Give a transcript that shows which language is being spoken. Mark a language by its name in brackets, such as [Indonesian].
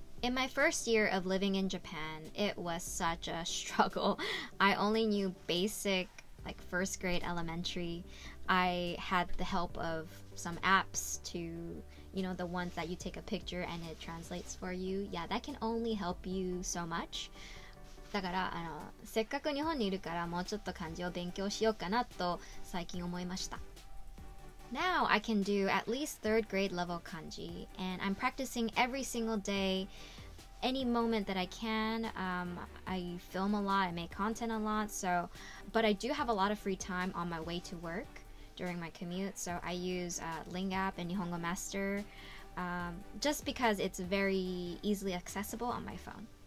[English] In my first year of living in Japan, it was such a struggle. I only knew basic, like first grade elementary. I had the help of some apps to, you know, the ones that you take a picture and it translates for you. Yeah, that can only help you so much. [Japanese] だから、あの、せっかく日本にいるからもうちょっと漢字を勉強しようかなと最近思いました。 [English] Now I can do at least third grade level kanji, and I'm practicing every single day. Any moment that I can, I film a lot, I make content a lot, so, but I do have a lot of free time on my way to work during my commute, so I use Ling app and Nihongo Master, just because it's very easily accessible on my phone.